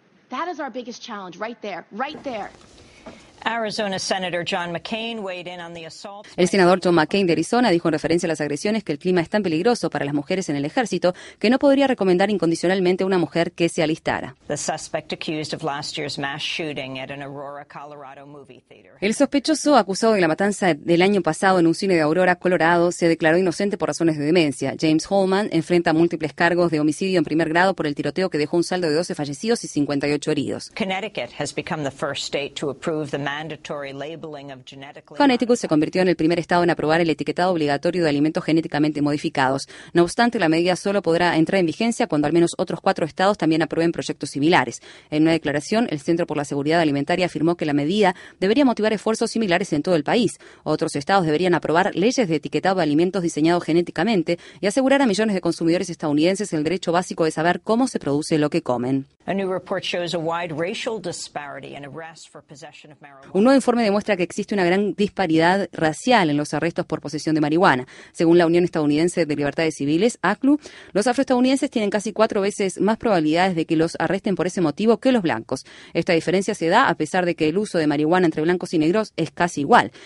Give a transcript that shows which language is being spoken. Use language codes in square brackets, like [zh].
[en] That is our biggest challenge, right there, right there. Arizona Senator John McCain weighed in on the assault. [es] El senador John McCain de Arizona dijo en referencia a las agresiones que el clima es tan peligroso para las mujeres en el ejército que no podría recomendar incondicionalmente a una mujer que se alistara. [en] The suspect accused of last year's mass shooting at an Aurora, Colorado movie theater. [es] El sospechoso acusado de la matanza del año pasado en un cine de Aurora, Colorado, se declaró inocente por razones de demencia. James Holman enfrenta múltiples cargos de homicidio en primer grado por el tiroteo que dejó un saldo de 12 fallecidos y 58 heridos. [en] Connecticut has become the first state to approve the mandatory labeling of genetically. [es] Connecticut se convirtió en el primer estado en aprobar el etiquetado obligatorio de alimentos genéticamente modificados. No obstante, la medida solo podrá entrar en vigencia cuando al menos otros cuatro estados también aprueben proyectos similares. En una declaración, el Centro por la Seguridad Alimentaria afirmó que la medida debería motivar esfuerzos similares en todo el país. Otros estados deberían aprobar leyes de etiquetado de alimentos diseñados genéticamente y asegurar a millones de consumidores estadounidenses el derecho básico de saber cómo se produce lo que comen. [en] A new report shows a wide racial disparity in arrests for possession. [es] Un nuevo informe demuestra que existe una gran disparidad racial en los arrestos por posesión de marihuana. Según la Unión Estadounidense de Libertades Civiles, ACLU, los afroestadounidenses tienen casi cuatro veces más probabilidades de que los arresten por ese motivo que los blancos. Esta diferencia se da a pesar de que el uso de marihuana entre blancos y negros es casi igual.